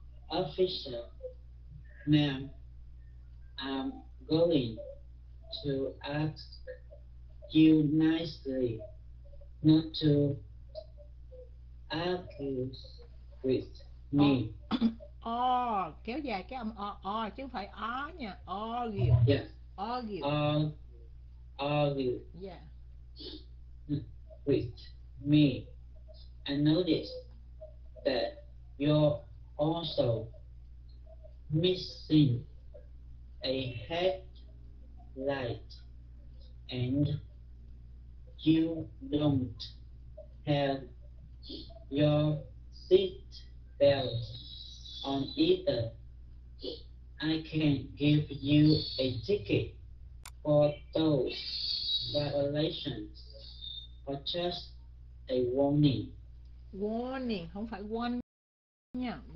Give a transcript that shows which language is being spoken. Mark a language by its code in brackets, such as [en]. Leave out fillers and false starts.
[en] Officer, ma'am, I'm going to ask you nicely not to argue with me. [vi] Kéo dài cái âm o chứ không phải á nha. [en] Argue. Yeah. Argue. Argue. Yeah. With me. I noticed that you're also missing a headlight and you don't have your seat belt on either. I can give you a ticket for those violations or just a warning. [vi] Warning, không phải warning nha.